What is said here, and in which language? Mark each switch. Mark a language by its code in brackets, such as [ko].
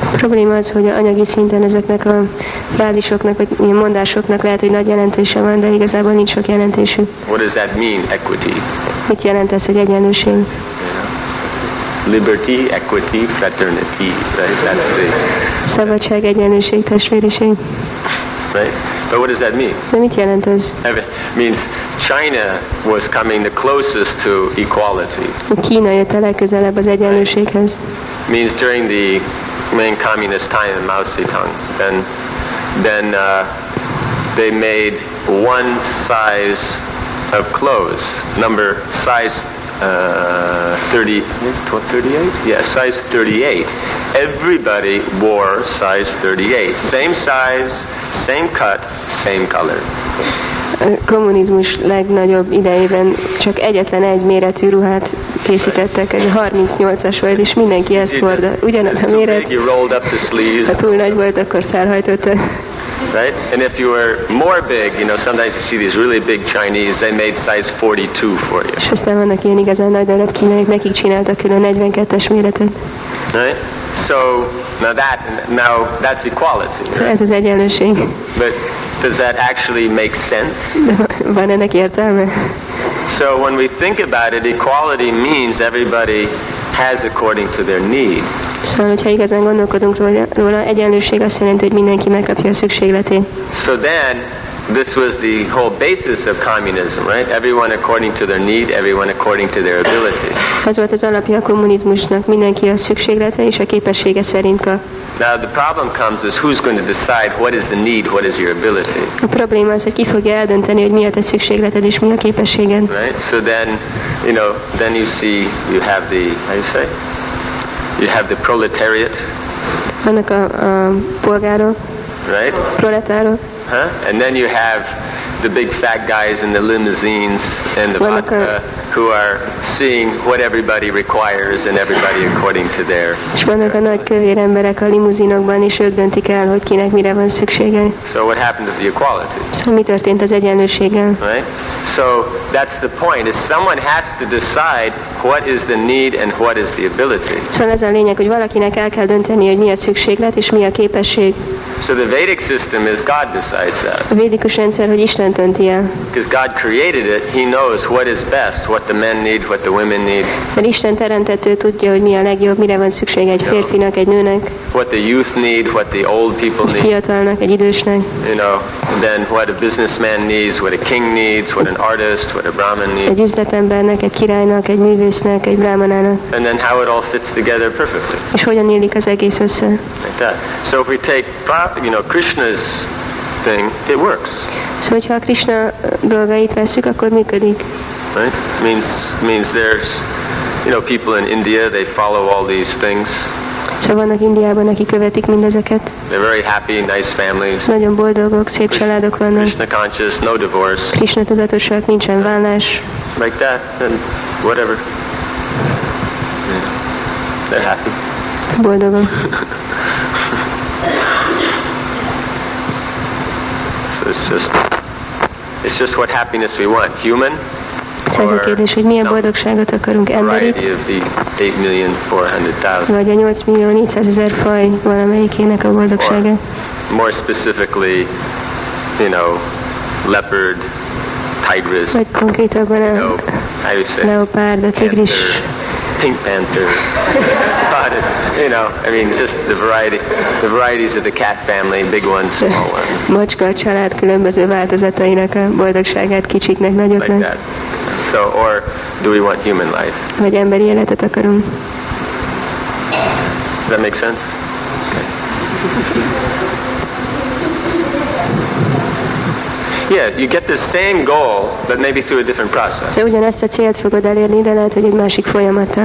[hu] A probléma az, hogy anyagi szinten ezeknek a frázisoknak vagy mondásoknak lehet, hogy nagy jelentése van, de igazából nincs sok jelentésük. [en] What does that mean, equity? [hu] Mit jelent ez, hogy egyenlőség? [en] Liberty, equity, fraternity, right? That's the [hu] szabadság, egyenlőség, testvériség. [en] Right? But what does that mean? [hu] De mit jelent ez? [en] It means China was coming the closest to equality. [hu] Kína jött a legközelebb az egyenlőséghez. [en] Means during the main communist time in Mao Zedong, then they made one size of clothes, number size 38? Yeah, size 38. Everybody wore size 38. Same size, same cut, same color. [hu] A kommunizmus legnagyobb idejében csak egyetlen egy méretű ruhát készítettek, ez a 38-as volt, és mindenki ezt hordta. Ugyanaz a méret. Ha túl nagy volt, akkor felhajtotta. [en] Right? And if you were more big, you know, sometimes you see these really big Chinese, they made size 42 for you. [hu] És aztán vannak ilyen igazán nagy darab kínaiak, nekik csináltak külön 42-es méretet. [en] Right? So, now that's equality. [hu] So ez az egyenlőség. [en] But does that actually make sense? [hu] Van ennek értelme? [en] So when we think about it, equality means everybody has according to their need. [hu] Szóval, hogyha igazán gondolkodunk róla, egyenlőség azt jelenti, hogy mindenki megkapja a szükségletét. [en] So then, this was the whole basis of communism, right? Everyone according to their need, everyone according to their ability. [hu] Ez volt az alapja a kommunizmusnak, mindenki a szükséglete és a képessége szerint kap. [en] Now the problem comes is who's going to decide what is the need, what is your ability. [hu] A probléma az, hogy ki fogja eldönteni, hogy mi a te szükségleted és mi a képességed. [en] Right? So then, you know, then you see, you have the, how you say? You have the proletariat. [hu] Vannak a polgárok. [en] Right? [hu] Proletárok. Huh? [en] And then you have the big fat guys in the limousines and the vodka who are seeing what everybody requires and everybody according to their... [hu] És vannak a nagy kövér emberek a limuzinokban, és ők döntik el, hogy kinek mire van szüksége. [en] So what happened to the equality? [hu] Szóval mi történt az egyenlőséggel? [en] Right? So that's the point, is someone has to decide what is the need and what is the ability. [hu] Szóval ez a lényeg, hogy valakinek el kell dönteni, hogy mi a szükséglet és mi a képesség. [en] So the Vedic system is God decides that. [hu] A védikus rendszer, hogy Isten dönti el. [en] Because God created it, he knows what is best, what the men need, what the women need. [hu] Mert Isten teremtető tudja, hogy mi a legjobb, mire van szükség egy férfinak, egy nőnek. [en] What the youth need, what the old people need. [hu] Egy fiatalnak, egy idősnek. [en] You know, then what a businessman needs, what a king needs, what an artist, what a brahmin needs. [hu] Egy üzletembernek, egy királynak, egy művésznek, egy brahmanának. [en] And then how it all fits together perfectly. [hu] És hogyan illik az egész össze. [en] Like that. So if we take, you know, Krishna's thing, it works. [hu] So, hogyha a Krishna dolgait veszük, akkor működik. [en] Right? Means there's, you know, people in India, they follow all these things. [hu] So, vannak Indiában, akik követik mindezeket. [en] They're very happy, nice families. [hu] Nagyon boldogok, szép családok vannak. [en] Krishna conscious, no divorce. [hu] Krishna tudatosak, nincsen válás. [en] Like that, and whatever. They're happy. [hu] Boldogok. [en] It's just what happiness we want, human. [hu] Or ez a kérdés, hogy milyen boldogságot akarunk, emberit. [en] Variety of the 8,400,000. [hu] Vagy a 8,400,000 faj valamelyikének a boldogsága. [en] Or, more specifically, you know, leopard, tigris. [hu] Vagy konkrétabban a leopárd, a tigris. [en] Pink panther, spotted, you know, I mean, just the varieties of the cat family, big ones, small ones. [hu] Macska a család különböző változatainak a boldogságát, kicsiknek, nagyoknak. [en] Like that. So, or do we want human life? [hu] Vagy emberi életet akarunk. Does that make sense? Okay. [en] Yeah, you get the same goal, but maybe through a different process. [hu] So ugyanezt a célt fogod elérni, de lehet, hogy egy másik folyamattal.